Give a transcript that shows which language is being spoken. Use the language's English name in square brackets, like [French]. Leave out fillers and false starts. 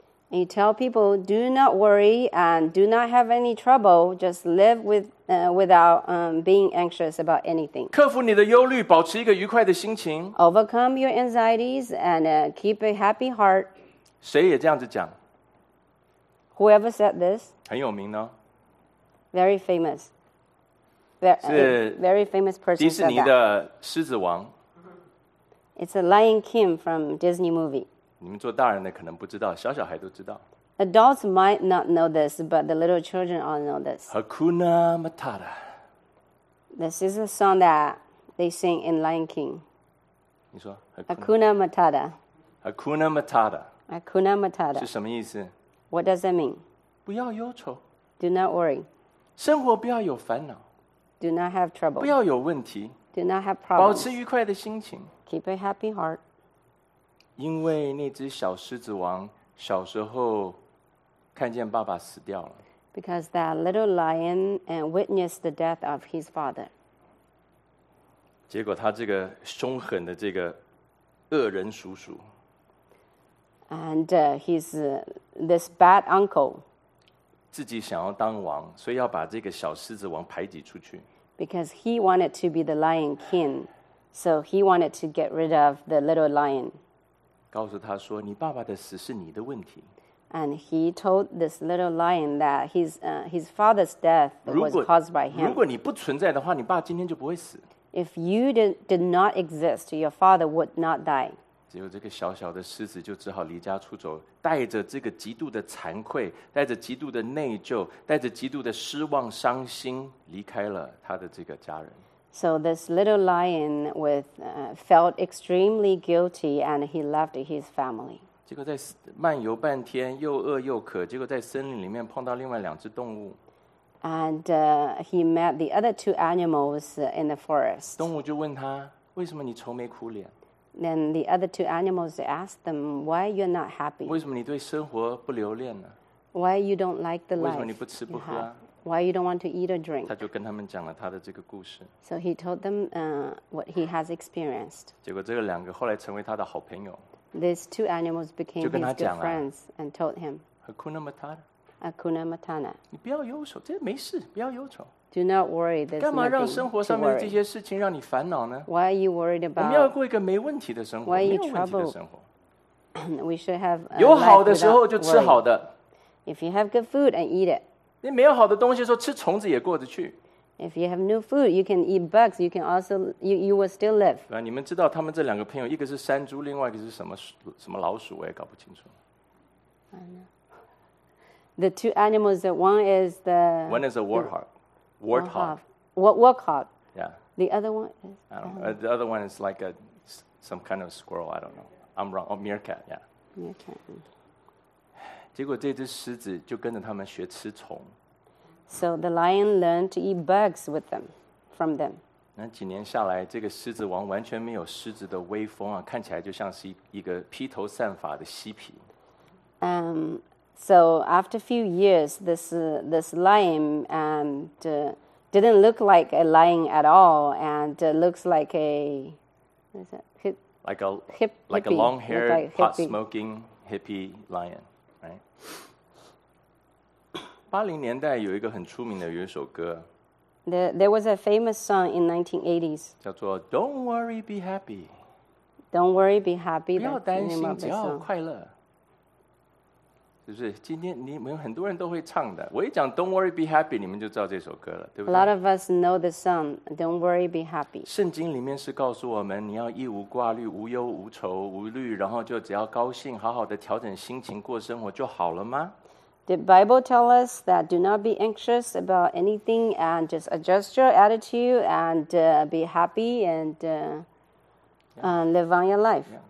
[English] And you tell people, do not worry and do not have any trouble. Just live without being anxious about anything. [Chinese] 克服你的忧虑，保持一个愉快的心情。 [English] Overcome your anxieties and keep a happy heart. [Chinese] 谁也这样子讲。 [English] Whoever said this. [Chinese] 很有名呢。 [English] Very famous. Very famous person. [Chinese] 迪士尼的狮子王。 [English] It's a Lion King from Disney movie. [Chinese] 你们做大人的可能不知道，小小孩都知道。 [English] Adults might not know this, but the little children all know this. [Swahili] Hakuna Matata. [English] This is a song that they sing in Lion King. [Chinese] 你说 [Swahili] Hakuna Matata. Hakuna Matata. Hakuna Matata. [Chinese] 是什么意思？ [English] What does that mean? [Chinese] 不要忧愁。 [English] Do not worry. [Chinese] 生活不要有烦恼。 [English] Do not have trouble. [Chinese] 不要有问题。 [English] Do not have problems. [Chinese] 保持愉快的心情。 [English] Keep a happy heart. [Chinese] 因为那只小狮子王小时候看见爸爸死掉了。 [English] Because that little lion and witnessed the death of his father. [Chinese] 结果他这个凶狠的这个恶人叔叔。 [English] And he's this bad uncle. [Chinese] 自己想要当王，所以要把这个小狮子王排挤出去。 [English] Because he wanted to be the lion king. So he wanted to get rid of the little lion. [Chinese] 告诉他说，你爸爸的死是你的问题。 [English] And he told this little lion that his father's death was caused by him. [Chinese] 如果你不存在的话，你爸今天就不会死。 [English] If you did not exist, your father would not die. [Chinese] 只有这个小小的狮子就只好离家出走，带着这个极度的惭愧，带着极度的内疚，带着极度的失望伤心，离开了他的这个家人。 [English] So this little lion felt extremely guilty and he left his family. [Chinese] 结果在漫游半天又饿又渴，结果在森林里面碰到另外两只动物。 [English] And he met the other two animals in the forest. [Chinese] 动物就问他，为什么你愁眉苦脸？ [English] Then the other two animals asked them, why you're not happy? [Chinese] 为什么你对生活不留恋呢？ [English] Why you don't like the life? [Chinese] 为什么你不吃不喝啊？ [English] Why you don't want to eat or drink? [Chinese] 他就跟他们讲了他的这个故事。 [English] So he told them what he has experienced. [Chinese] 结果这个两个后来成为他的好朋友。 [English] These two animals became his good friends and told him. [Swahili] Hakuna Matata. Hakuna Matata. [Chinese] 你不要忧愁，这没事，不要忧愁。 [English] Do not worry. [Chinese] 干嘛让生活上面这些事情让你烦恼呢？ [English] Why are you worried about? [Chinese] 我们要过一个没问题的生活，没有问题的生活。 [English] We should have. [Chinese] 有好的时候就吃好的。 [English] If you have good food and eat it. [Chinese] 你没有好的东西的时候，吃虫子也过得去。 [English] If you have no food, you can eat bugs. You can also you will still live. [Chinese] 对吧？你们知道他们这两个朋友，一个是山猪，另外一个是什么老鼠，我也搞不清楚。 [English] The two animals. One is the one is a warthog. Warthog. Yeah. The other one is. I don't know. The other one is like some kind of squirrel. I don't know. I'm wrong. Oh, meerkat. Yeah. Meerkat. [Chinese] 结果这只狮子就跟着他们学吃虫。 [English] So the lion learned to eat bugs with them, from them. [Chinese] 那几年下来，这个狮子王完全没有狮子的威风啊，看起来就像是一个披头散发的嬉皮。 [English] So after a few years, this lion didn't look like a lion at all, and looks like a like a long-haired, pot-smoking hippie lion. [Chinese] 八零年代有一个很出名的有一首歌 [English] There was a famous song in 1980s [Chinese] 叫做 Don't Worry Be Happy [English] Don't Worry Be Happy [Chinese] 不要担心只要快乐就是今天你们很多人都会唱的我一讲 Don't Worry Be Happy 你们就知道这首歌了对不对 [English] A lot of us know the song Don't Worry Be Happy [Chinese] 圣经里面是告诉我们你要一无挂虑无忧无愁无虑然后就只要高兴好好的调整心情过生活就好了吗 [English] The Bible tells us that do not be anxious about anything and just adjust your attitude and be happy and live on your life.